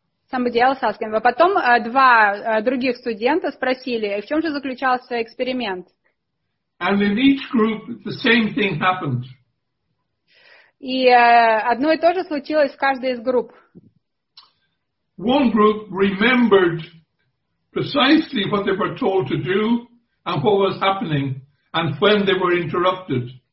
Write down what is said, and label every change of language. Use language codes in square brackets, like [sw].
[en] Somebody else asked them. [ru] А потом два других студента спросили, в чем же заключался эксперимент? [en] And in each group the same thing happened. [ru] И одно и то же случилось в каждой из групп. [en] One group remembered precisely what they were told to do and what was happening and when they were interrupted.